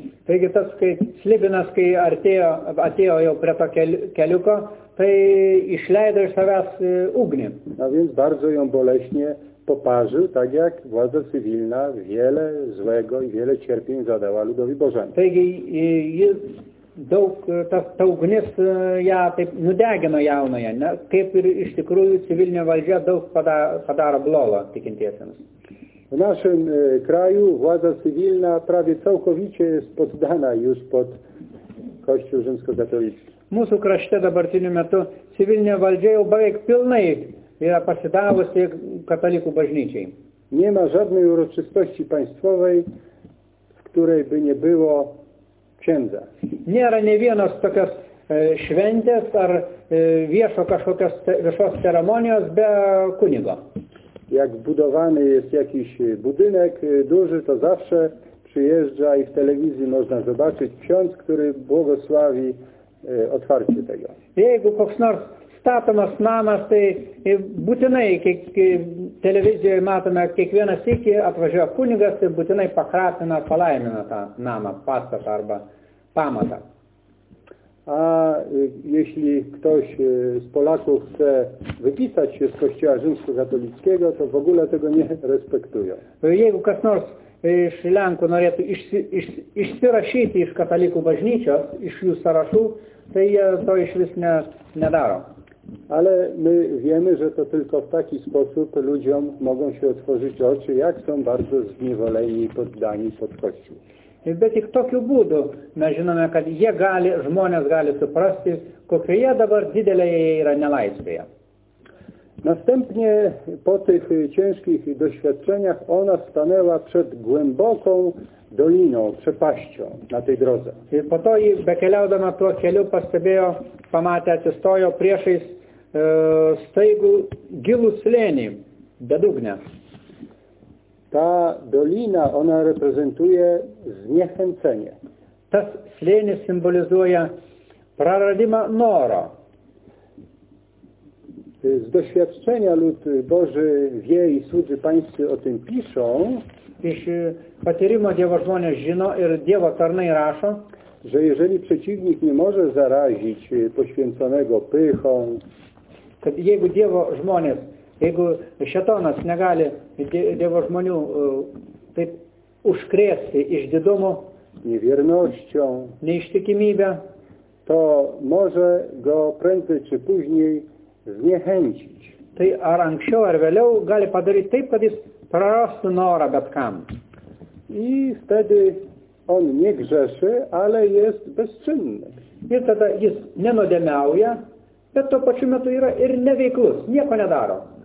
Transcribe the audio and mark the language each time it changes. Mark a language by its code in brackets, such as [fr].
[lt] Taigi tas, kai slibinas, kai atėjo jau prie to keliuko, tai išleido iš savęs ugnį. [pl] A więc bardzo ją boleśnie poparzył, tak jak władza cywilna wiele złego i wiele cierpień zadała ludowi Bożemu. [lt] Taigi jis daug, ta ugnis ją taip nudegino jaunoje, ne? Kaip ir iš tikrųjų civilinė valdžia daug padaro blogo tikintiesiems. [pl] W naszym kraju władza cywilna prawie całkowicie jest poddana już pod Kościół rzymskokatolicki. [lt] Mūsų krašte dabartiniu metu civilinė valdžia jau beveik pilnai yra pasidavusi katalikų bažnyčiai. [pl] Nie ma żadnej uroczystości państwowej, w której by nie było księdza. [lt] Nėra ne vienos tokios šventės ar viešo kažkokios viešos ceremonijos be kunigo. [pl] Jak budowany jest jakiś budynek duży, to zawsze przyjeżdża i w telewizji można zobaczyć ksiądz, który błogosławi otwarcie tego. [lt] Jeigu koks nors statomas namas, tai būtinai televizijoje matome, kiekvieną sykį atvažiuoja kunigas, tai būtinai pakratina, palaimina tą namą, pastatą arba pamatą. [pl] A jeśli ktoś z Polaków chce wypisać się z Kościoła rzymskokatolickiego, to w ogóle tego nie respektują. [lt] Jeigu kas nors iš Lenkų norėtų išsirašyti iš katalikų bažnyčios, iš jų sąrašų, tai jie to iš vis nedaro. [pl] Ale my wiemy, że to tylko w taki sposób ludziom mogą się otworzyć oczy, jak są bardzo zniewoleni i poddani pod Kościół. [lt] Bet tik tokiu būdu mes žinome, kad jie gali, žmonės gali suprasti, kokioje dabar didelėje jie yra nelaisvėje. [pl] Następnie po tych ciężkich doświadczeniach ona stanęła przed głęboką doliną, przepaścią na tej drodze. [lt] I po to jej bekeliaudama tuo keliu pastebėjo, pamatė, atsistojo priešais staigų gilų slėnį, bedugnę. [pl] Ta dolina, ona reprezentuje zniechęcenie. [lt] Tas slėnis symbolizuoja praradimą noro. [pl] Z doświadczenia lud Boży wie i słudzy Pańscy o tym piszą, [lt] iż patyrimo Dievo žmonės žino ir Dievo tarnai rašo, [pl] że jeżeli przeciwnik nie może zarazić poświęconego pychą, [lt] kad jeigu Dievo žmonės, jeigu šetonas negali Dievo žmonių taip užkrėsti iš didumo, [pl] niewiernością, [lt] neištikimybę, [pl] to może go prędzej czy później zniechęcić. [lt] Tai ar anksčiau, ar vėliau gali padaryti taip, kad jis prarastų norą bet kam. [pl] I wtedy on nie grzeszy, ale jest bezczynny. [lt] Ir tada jis nenodėmiauja, bet to pačiu metu yra ir neveiklus, nieko nedaro.